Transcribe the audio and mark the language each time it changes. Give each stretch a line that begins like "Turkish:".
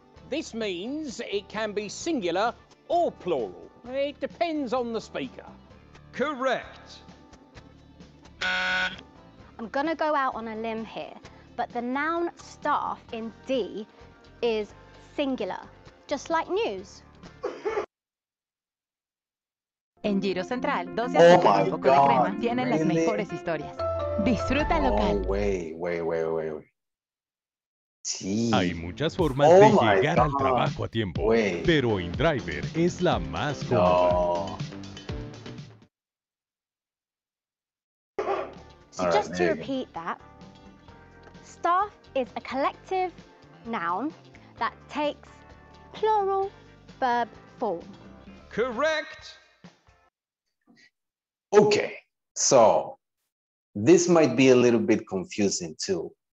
English: This means it can be singular or plural. It depends on the speaker. Correct. I'm gonna go out on a limb here, but the noun staff in D is singular, just like news.
Spanish: En Giro Central, 12 de octubre, un poco de crema, tienen las mejores historias. Disfruta local.
English: Oh, wait.
Spanish: Sí. Hay muchas formas de llegar al trabajo a tiempo, pero InDriver es la más cómoda.
English: So right, just to repeat that, staff is a collective noun that takes plural verb form. Correct. Okay, so this might be a little bit confusing too.